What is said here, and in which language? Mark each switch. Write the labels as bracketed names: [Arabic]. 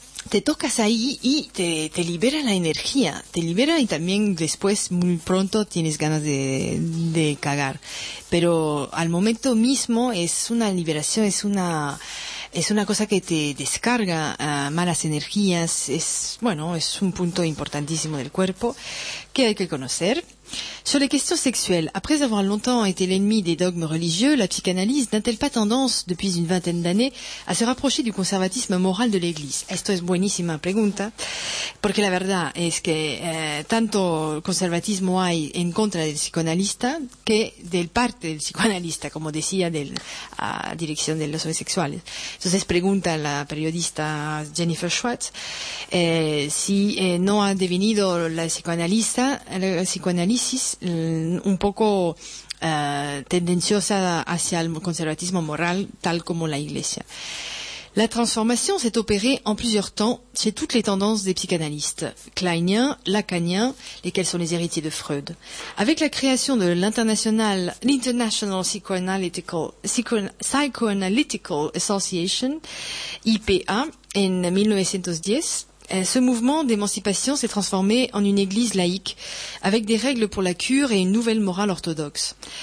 [Spanish] Te tocas ahí y te libera la energía, te libera y también después muy pronto tienes ganas de cagar. Pero al momento mismo es una liberación, es una cosa que te descarga malas energías, es un punto importantísimo del cuerpo que hay que conocer. [French] Sur les questions sexuelles, après avoir longtemps été l'ennemi des dogmes religieux, la psychanalyse n'a-t-elle pas tendance, depuis une vingtaine d'années, à se rapprocher du conservatisme moral de l'Église? [Spanish] Esto es buenísima pregunta, porque la verdad es que tanto conservatismo hay en contra del psicoanalista que del parte del psicoanalista, como decía, de la dirección de los homosexuales. Entonces pregunta la periodista Jennifer Schwartz si no ha devenido la psicoanálisis un poco tendenciosa hacia el conservatismo moral, tal como la Iglesia. [French] La transformación s'est opérée en plusieurs temps chez toutes les tendances des psychanalystes, Kleinien, Lacanien, lesquels sont les héritiers de Freud. Avec la création de l'International Psychoanalytical Association, IPA, en 1910, ce mouvement d'émancipation s'est transformé en une église laïque, avec des règles pour la cure et une nouvelle morale orthodoxe.